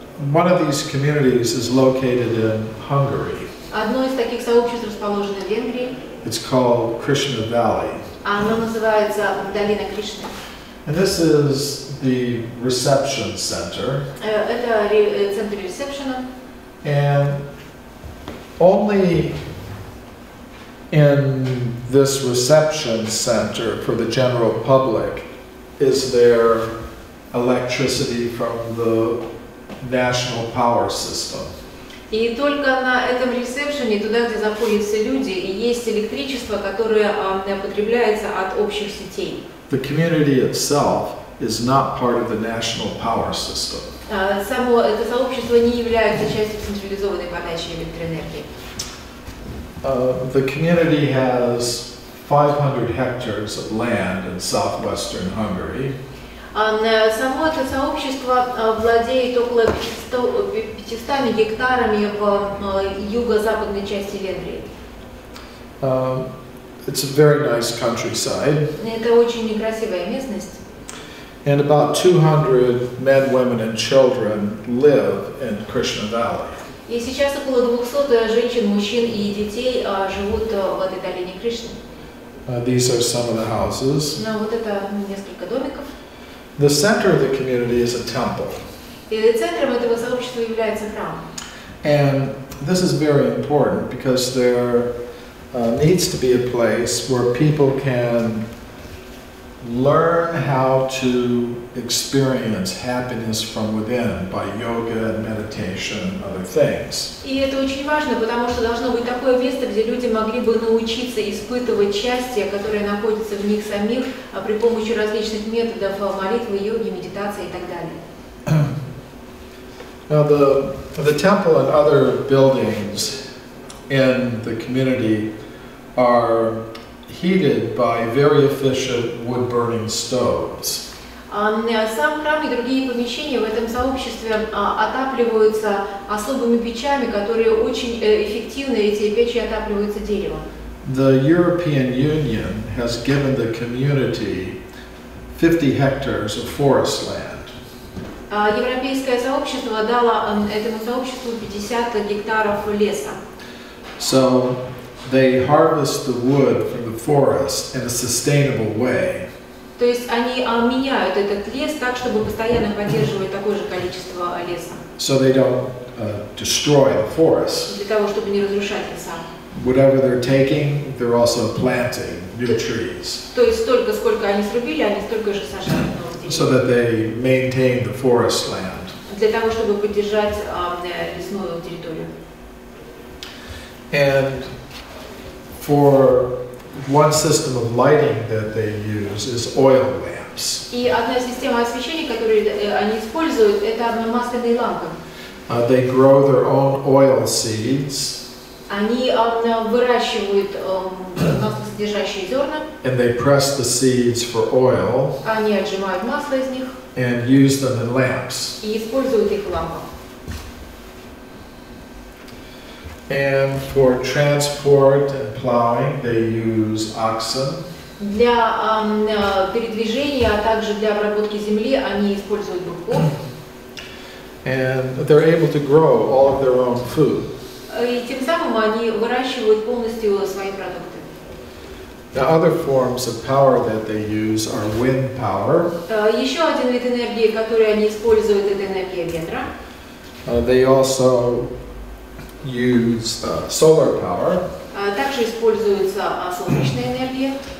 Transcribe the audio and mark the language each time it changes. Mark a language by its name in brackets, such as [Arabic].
[English] One of these communities is located in Hungary. [Russian] Одно из таких сообществ расположено в Венгрии. [English] It's called Krishna Valley. [Russian] Оно называется Долина Кришны. [English] And this is the reception center. [Russian] Это центр ресепшена. [English] And only in this reception center for the general public is there electricity from the national power system. [Russian] И только на этом ресепшене, туда, где заходятся люди, есть электричество, которое потребляется от общих сетей. [English] The community itself is not part of the national power system. [Russian] Само это сообщество не является частью централизованной подачи электроэнергии. [English] The community has 500 hectares of land in southwestern Hungary. [Russian] Само это сообщество владеет около 500 гектарами в юго-западной части Венгрии. [English] It's a very nice countryside. [Russian] Это очень некрасивая местность. [English] And about 200 men, women, and children live in Krishna Valley. [Russian] И сейчас около 200 женщин, мужчин и детей живут в этой долине Кришны. [English] These are some of the houses. [Russian] Но вот это несколько домиков. [English] The center of the community is a temple. [Russian] И центром этого сообщества является храм. [English] And this is very important because there needs to be a place where people can learn how to experience happiness from within by yoga and meditation and other things. [Russian] И это очень важно, потому что должно быть такое место, где люди могли бы научиться испытывать счастье, которое находится в них самих, при помощи различных методов молитвы, йоги, медитации и так далее. [English] Now the temple and other buildings in the community are heated by very efficient wood-burning stoves. [Russian] Сам храм и другие помещения в этом сообществе отапливаются особыми печами, которые очень эффективны, эти печи отапливаются деревом. [English] The European Union has given the community 50 hectares of forest land. [Russian] Европейское сообщество дало этому сообществу 50 гектаров леса. [English] So they harvest the wood from the forest in a sustainable way. [Russian] То есть они меняют этот лес так, чтобы постоянно поддерживать такое же количество леса. [English] So they don't destroy the forest. [Russian] Для того, чтобы не разрушать леса. [English] Whatever they're taking, they're also planting new trees. [Russian] То есть столько, сколько они срубили, они столько же сажают новых деревьев. [English] So that they maintain the forest land. [Russian] Для того, чтобы поддержать лесную территорию. [English] And for one system of lighting that they use is oil lamps. [Russian] И одна система освещения, которую они используют, это масляные лампы. [English] They grow their own oil seeds. [Russian] Они выращивают маслосодержащие зерна. [English] And they press the seeds for oil. [Russian] Они отжимают масло из них. [English] And use them in lamps. [Russian] И используют их в лампах. [English] And for transport and plowing, they use oxen. [Russian] Для передвижения, а также для обработки земли, они используют быков. [English] And they're able to grow all of their own food. [Russian] И тем самым они выращивают полностью свои продукты. [English] The other forms of power that they use are wind power. [Russian] Еще один вид энергии, который они используют, это энергия ветра. [English] They also use solar power. [Russian] Также используется солнечная энергия.